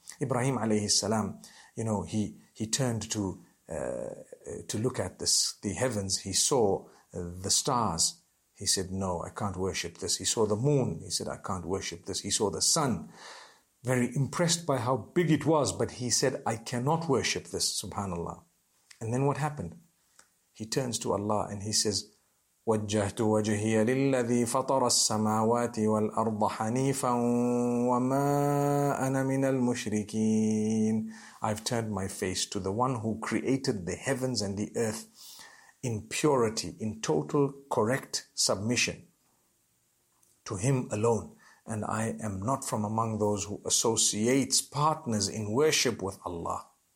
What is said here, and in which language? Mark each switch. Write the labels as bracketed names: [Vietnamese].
[English] Ibrahim alayhi salam, you know, he turned to look at the heavens. He saw the stars. He said, no, I can't worship this. He saw the moon. He said, I can't worship this. He saw the sun, very impressed by how big it was. But he said, I cannot worship this, subhanAllah. And then what happened? He turns to Allah and he says, [Arabic] وَجَّهْتُ وَجْهِيَ لِلَّذِي فَطَرَ السَّمَاوَاتِ وَالْأَرْضَ حَنِيفًا وَمَا أَنَا مِنَ الْمُشْرِكِينَ. [English] I've turned my face to the one who created the heavens and the earth in purity, in total correct submission to him alone. And I am not from among those who associates partners in worship with Allah.